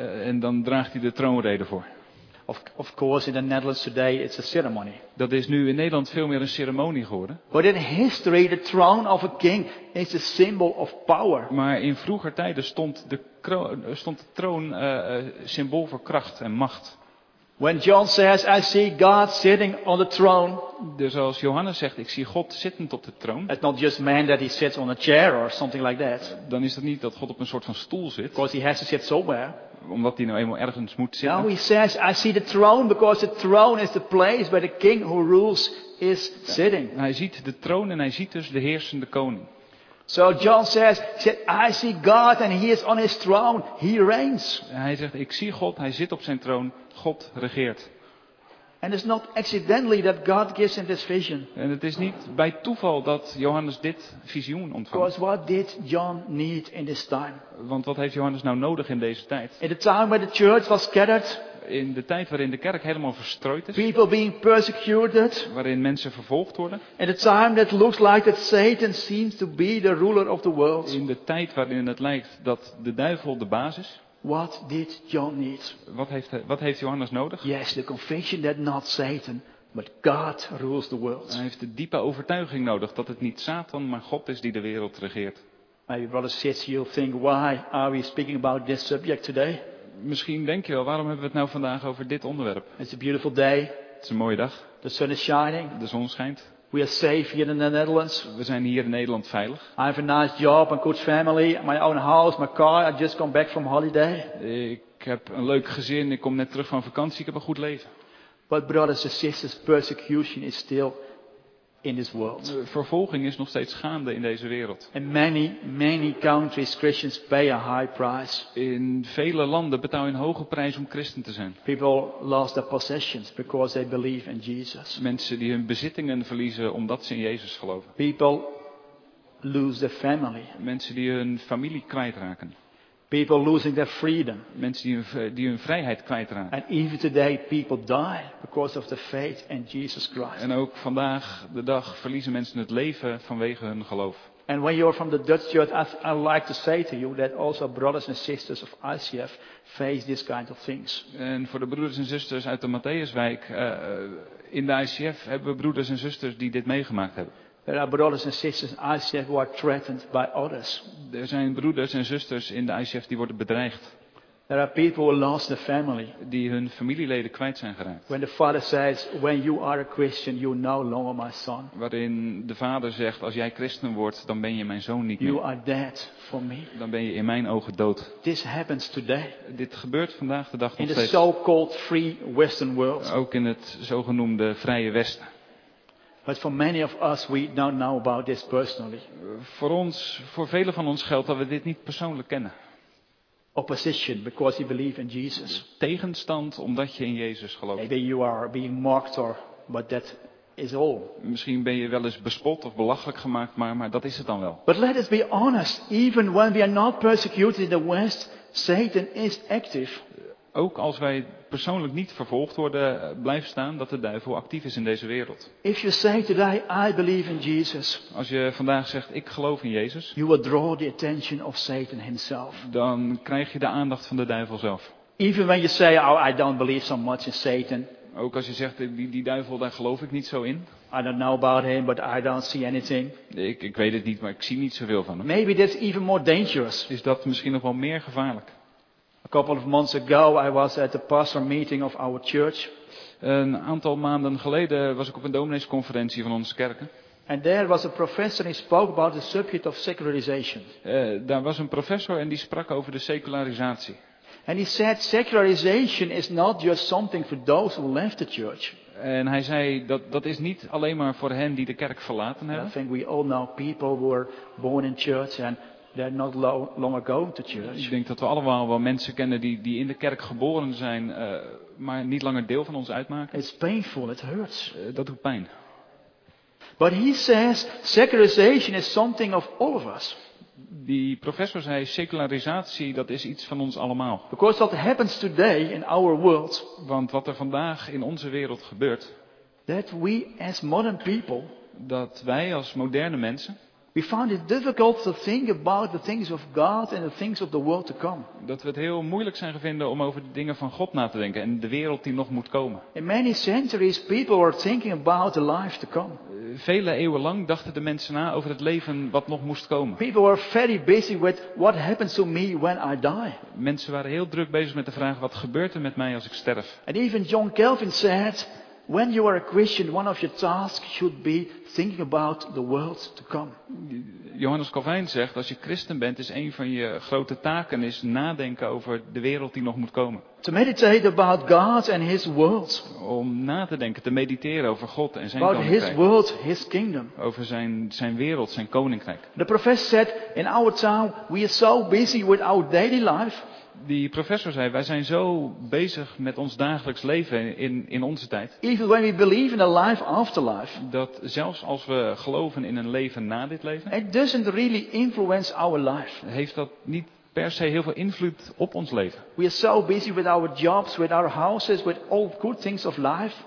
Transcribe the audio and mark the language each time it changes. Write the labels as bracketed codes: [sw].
[nl] En dan draagt hij de troonrede voor. [en] Of course, in the Netherlands today, it's a ceremony. [nl] Dat is nu in Nederland veel meer een ceremonie geworden. [en] But in history, the throne of a king is a symbol of power. [nl] Maar in vroeger tijden stond de troon symbool voor kracht en macht. [en] When John says, I see God sitting on the throne. [nl] Dus als Johannes zegt, ik zie God zittend op de troon. [en] It's not just man that he sits on a chair or something like that. [nl] Dan is het niet dat God op een soort van stoel zit. [en] Because he has to sit somewhere. [nl] Omdat hij nou eenmaal ergens moet zitten. [en] Now he says, I see the throne because the throne is the place where the king who rules is sitting. [nl] Hij ziet de troon en hij ziet dus de heersende koning. [en] So John says, he said, I see God and he is on his throne. He reigns. [nl] Hij zegt, ik zie God, hij zit op zijn troon. God regeert. [en] And it's not accidentally that God gives him this vision. [nl] En het is niet bij toeval dat Johannes dit visioen ontvangt. [en] Because what did John need in this time? [nl] Want wat heeft Johannes nou nodig in deze tijd? [en] In the time where the church was scattered. [nl] In de tijd waarin de kerk helemaal verstrooid is. [en] People being persecuted. [nl] Waarin mensen vervolgd worden. [en] In the time that looks like that Satan seems to be the ruler of the world. [nl] In de tijd waarin het lijkt dat de duivel de baas is. [en] What did John need? [nl] Wat heeft Johannes nodig? [en] Yes, the conviction that not Satan, but God rules the world. [nl] Hij heeft de diepe overtuiging nodig dat het niet Satan, maar God is die de wereld regeert. [en] Maybe brother Sitz, you'll think, why are we speaking about this subject today? [nl] Misschien denk je wel, waarom hebben we het nou vandaag over dit onderwerp? [en] It's a beautiful day. [nl] Het is een mooie dag. [en] The sun is shining. [nl] De zon schijnt. [en] We are safe here in the Netherlands. [nl] We zijn hier in Nederland veilig. [en] I have a nice job, a good family, my own house, my car. I just come back from holiday. [nl] Ik heb een leuk gezin. Ik kom net terug van vakantie. Ik heb een goed leven. [en] But brothers and sisters, persecution is still in this world. [nl] Vervolging is nog steeds gaande in deze wereld. [en] In many, many countries, Christians pay a high price. [nl] In vele landen betaal je een hoge prijs om christen te zijn. [en] People lost their possessions because they believe in Jesus. [nl] Mensen die hun bezittingen verliezen omdat ze in Jezus geloven. [en] People lose their family. [nl] Mensen die hun familie kwijtraken. [en] People losing their freedom. [nl] Mensen die hun vrijheid kwijtraken. [en] And even today people die because of the faith in Jesus Christ. [nl] En ook vandaag de dag verliezen mensen het leven vanwege hun geloof. [en] And when you're from the Dutch church, I like to say to you that also brothers and sisters of ICF face this kind of things. [nl] En voor de broeders en zusters uit de Matthäuswijk in de ICF hebben we broeders en zusters die dit meegemaakt hebben. [en] There are brothers and sisters in ICF who are threatened by others. [nl] Er zijn broeders en zusters in de ICF die worden bedreigd. [en] There are people who lost their family. [nl] Die hun familieleden kwijt zijn geraakt. [en] When the father says, when you are a Christian, you're no longer my son. [nl] Waarin de vader zegt, als jij christen wordt, dan ben je mijn zoon niet [en] you [nl] meer. [en] You are dead for me. [nl] Dan ben je in mijn ogen dood. [en] This happens today. [nl] Dit gebeurt vandaag de dag in nog steeds. [en] In the so-called free Western world. [nl] Ook in het zogenoemde vrije Westen. [en] But for many of us we don't know about this personally. [nl] Voor velen van ons geldt dat we dit niet persoonlijk kennen. [en] Opposition because you believe in Jesus. [nl] Tegenstand omdat je in Jezus gelooft. [en] Maybe you are being mocked or but that is all. [nl] Misschien ben je wel eens bespot of belachelijk gemaakt, maar dat is het dan wel. [en] But let us be honest, even when we are not persecuted in the West, Satan is active. [nl] Ook als wij persoonlijk niet vervolgd worden, blijf staan dat de duivel actief is in deze wereld. [en] If you say today, I believe in Jesus, [nl] als je vandaag zegt, ik geloof in Jezus, [en] you will draw the attention of Satan himself. [nl] Dan krijg je de aandacht van de duivel zelf. [en] Even when you say, oh, I don't believe so much in Satan. [nl] Ook als je zegt, die duivel, daar geloof ik niet zo in. [en] I don't know about him, but I don't see anything. [nl] Ik weet het niet, maar ik zie niet zoveel van hem. [en] Maybe that's even more dangerous. [nl] Is dat misschien nog wel meer gevaarlijk? [en] A couple of months ago, I was at the pastor meeting of our church. [nl] Een aantal maanden geleden was ik op een domineesconferentie van onze kerken. [en] And there was a professor, he spoke about the subject of secularization. [nl] Daar was een professor en die sprak over de secularisatie. [en] And he said secularization is not just something for those who left the church. [nl] En hij zei dat is niet alleen maar voor hen die de kerk verlaten hebben. [en] I think we all know people who were born in church and they're not longer going to church. [nl] Ik denk dat we allemaal wel mensen kennen die in de kerk geboren zijn, maar niet langer deel van ons uitmaken. [en] It's painful, it hurts. [nl] Dat doet pijn. [en] But he says secularization is something of all of us. [nl] Die professor zei, secularisatie, dat is iets van ons allemaal. [en] Because what happens today in our world, [nl] want wat er vandaag in onze wereld gebeurt, [en] that we as modern people, [nl] dat wij als moderne mensen, [en] we find it difficult to think about the things of God and the things of the world to come. [nl] Dat we het heel moeilijk zijn gevonden om over de dingen van God na te denken en de wereld die nog moet komen. [en] In many centuries people were thinking about the life to come. [nl] Vele eeuwen lang dachten de mensen na over het leven wat nog moest komen. [en] People were very busy with what happens to me when I die. [nl] Mensen waren heel druk bezig met de vraag wat gebeurt er met mij als ik sterf. [en] And even John Calvin said, when you are a Christian, one of your tasks should be thinking about the world to come. [nl] Johannes Calvin zegt, als je Christen bent, is een van je grote taken is nadenken over de wereld die nog moet komen. [en] To meditate about God and His world. [nl] Om na te denken, te mediteren over God en zijn [en] about [nl] koninkrijk. [en] About His world, His kingdom. [nl] Over zijn wereld, zijn koninkrijk. [en] The professor said, in our town, we are so busy with our daily life. [nl] Die professor zei, wij zijn zo bezig met ons dagelijks leven in onze tijd. [en] Even when we believe in a life afterlife, [nl] dat zelfs als we geloven in een leven na dit leven, [en] it doesn't really influence our life. [nl] Heeft dat niet per se heel veel invloed op ons leven. [en] We are so busy with our jobs, with our houses, with all good things of life.